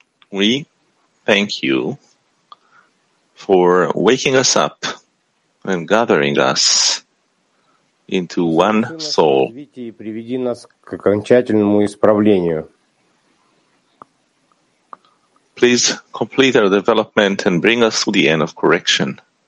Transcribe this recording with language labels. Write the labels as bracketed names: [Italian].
[English] we thank you for waking us up and gathering us into one soul. [Russian] Приведи нас к окончательному исправлению. [English] Please complete our development and bring us to the end of correction.